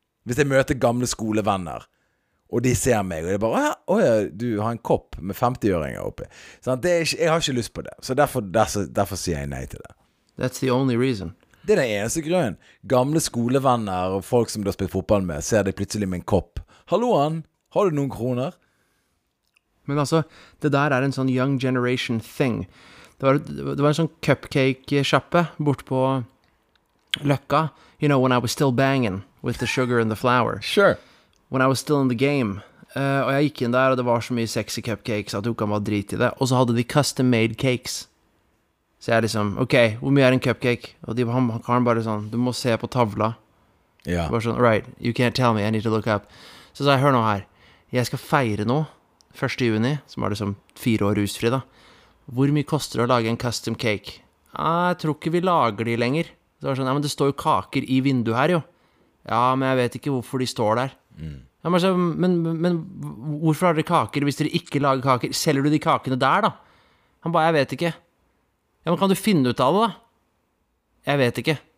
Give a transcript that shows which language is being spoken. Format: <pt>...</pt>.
<no>Hvis jeg møter gamle skolevenner og de ser meg, og de bare, åja, du har en kopp med 50-åringer oppi. Sånn, jeg har ikke lyst på det. Så derfor sier jeg nei til det.</no> <en>That's the only reason.</en> <no>Det er den eneste grunnen. Gamle skolevenner og folk som du har spilt fotball med, ser deg plutselig med en kopp. Hallo, han, har du noen kroner? Men altså, det der er en sånn</no> <en>young generation thing.</en> <no>Det var en sånn cupcake-kjappe bort på Løkka,</no> <en>you know, when I was still banging with the sugar and the flour. Sure. When I was still in the game.</en> <no>Og jeg gikk inn der, og det var så mye sexy cupcakes at du kan bare drit i det. Og så hadde de custom-made cakes. Så jeg liksom, ok, hvor mye en cupcake? Og de, han kan bare sånn, du må se på tavla. Ja. Bare sånn,</no> <en>right, you can't tell me, I need to look up.</en> <no>Så sa jeg, hør nå her, jeg skal feire nå, 1. juni, som var liksom 4 år rusfri da. Hvor mye koster det å lage en custom cake? Jeg tror ikke vi lager de lenger. Så var det sånn, ja, men det står jo kaker i vinduet her jo. Ja, men jeg vet ikke hvorfor de står der. Mm. Ja, men, så, men hvorfor har dere kaker hvis dere ikke lager kaker? Selger du de kakene der da? Han bare, jeg vet ikke. Ja, men kan du finne ut av det da? Jeg vet ikke.</no>